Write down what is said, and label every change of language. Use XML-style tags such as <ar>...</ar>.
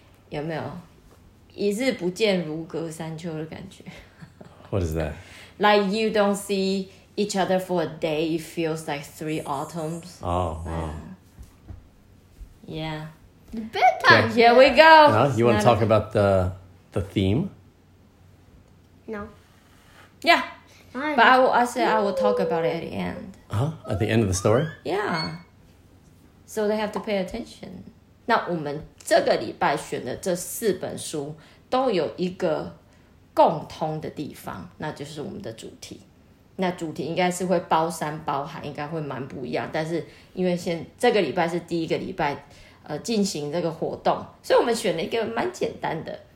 <zh>有没有一日不见如隔三秋的感觉？</zh> <en>What is that? Like you don't see each other for a day, it feels like three autumns. Oh, wow. Yeah. Bedtime. Here we go. No, you want to talk about the theme? No. Yeah. But I will talk about it at the end. Huh? At the end of the story? Yeah. So they have to pay attention.</en> <zh>那我们这个礼拜选的这四本书都有一个共通的地方，那就是我们的主题。那主题应该是会包山包海，应该会蛮不一样。但是因为现这个礼拜是第一个礼拜，进行这个活动，所以我们选了一个蛮简单的。</zh>